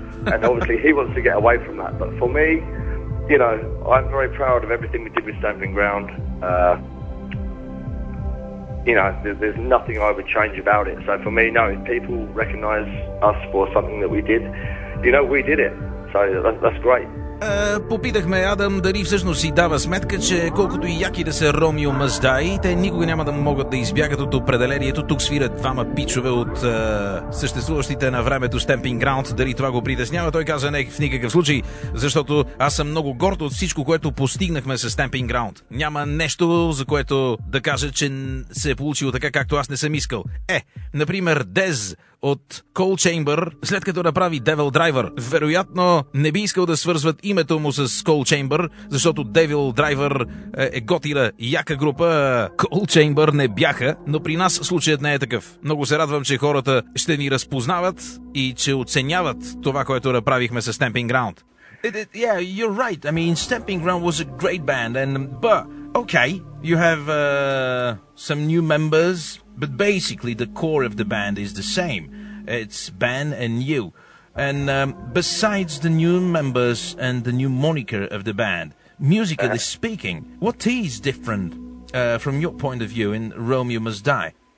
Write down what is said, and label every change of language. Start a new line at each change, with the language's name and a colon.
English: And obviously he wants to get away from that. But for me, you know, I'm very proud of everything we did with Stamping Ground. There's nothing I would change about it. So for me, no, if people recognize us for something that we did, you know, we did it. So that's great.
Bulgarian: Попитахме Адам дали всъщност си дава сметка, че колкото и яки да са Ромео Must Die, те никога няма да могат да избягат от определението. Тук свират двама пичове от съществуващите на времето Stamping Ground. Дали това го притеснява? Той каза не в никакъв случай, защото аз съм много горд от всичко, което постигнахме с Stamping Ground. Няма нещо, за което да кажа, че се е получило така, както аз не съм искал. Например, Дез от Cold Chamber, след като направи Devil Driver. Вероятно, не би искал да свързват името му с Cold Chamber, защото Devil Driver е готина и яка група. Cold Chamber не бяха, но при нас случаят не е такъв. Много се радвам, че хората ще ни разпознават и че оценяват това, което направихме с Stamping Ground.
English: Yeah, you're right. I mean, Stamping Ground was a great band, but okay, you have some new members. But basically, the core of the band is the same. It's Ben and you. And besides the new members and the new moniker of the band, musically speaking, what is different from your point of view in Romeo Must Die?